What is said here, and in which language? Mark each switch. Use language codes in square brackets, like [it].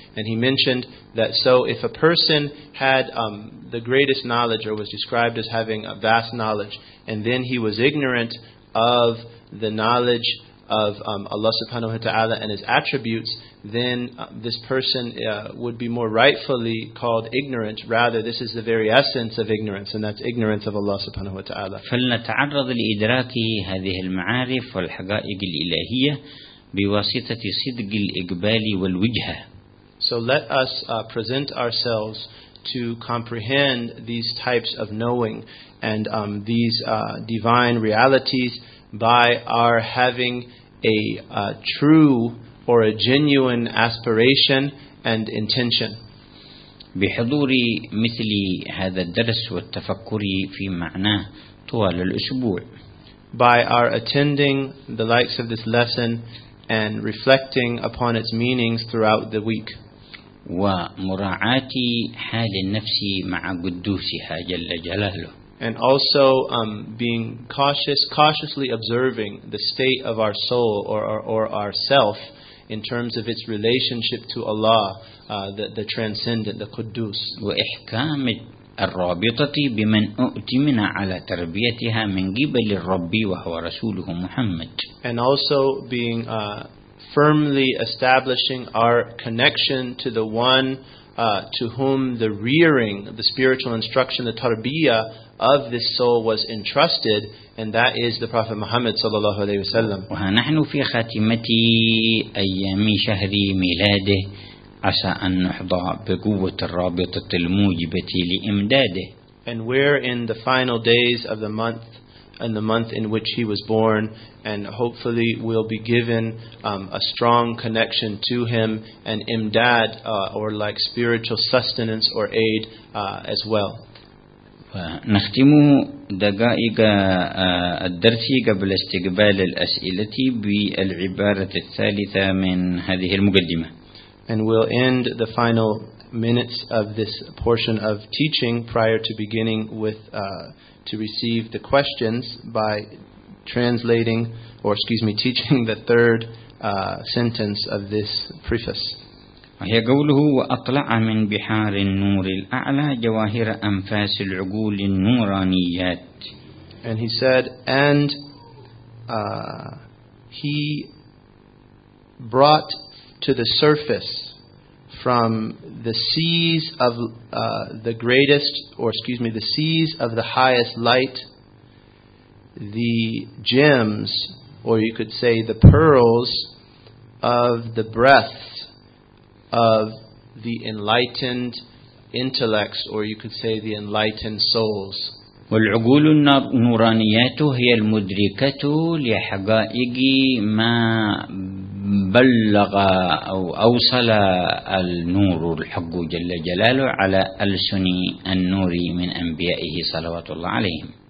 [en] And he mentioned that so if a person had the greatest knowledge or was described as having a vast knowledge, and then he was ignorant of the knowledge of Allah subhanahu wa ta'ala and his attributes, then this person would be more rightfully called ignorant. Rather, this is the very essence of ignorance, and that's ignorance of Allah subhanahu wa ta'ala. [ar] فلنتعرض لإدراك هذه المعارف والحقائق الإلهية بواسطة صدق الإقبال والوجهة. [en] So let us present ourselves to comprehend these types of knowing and these divine realities by our having a true or a genuine aspiration and intention. [ar] بحضوري مثل هذا الدرس والتفكر في معناه طوال الأسبوع. [en] By our attending the likes of this lesson and reflecting upon its meanings throughout the week. [ar] ومراعاة حال النفس مع قدوسها جل جلاله. [en] And also being cautiously observing the state of our soul or our self in terms of its relationship to Allah, the transcendent, the Quddus. [ar] وإحكام الرابطة بمن أؤتمن على تربيتها من قبل الرب وهو رسوله محمد. [en] And also being firmly establishing our connection to the one to whom the rearing, the spiritual instruction, the tarbiyah of this soul was entrusted, and that is the Prophet Muhammad sallallahu alaihi wasallam. [ar] وها نحن في خاتمة أيام شهر ميلاده عسى أن نحظى بقوة الرابطة الموجبة لإمداده. [en] And we're in the final days of the month, in the month in which he was born, and hopefully we'll be given a strong connection to him and imdad or like spiritual sustenance or aid as well. [ar] نختم دقائق الدرس قبل استقبال الأسئلة بالعبارة الثالثة من هذه المقدمة. [en] And we'll end the final minutes of this portion of teaching prior to beginning with to receive the questions by translating, or excuse me, teaching the third sentence of this preface. [ar] وهي قوله وأطلع من بحار النور الأعلى جواهر أنفاس العقول النورانيات. [en] And he said, and he brought to the surface from the seas of the greatest, or excuse me, the seas of the highest light, the gems, or you could say the pearls of the breaths of the enlightened intellects, or you could say the enlightened souls. [ar] والعقول النورانيات هي المدركة لحقائق ما بلغ أو أوصل النور الحق جل جلاله على ألسن النور من أنبيائه صلوات الله عليهم.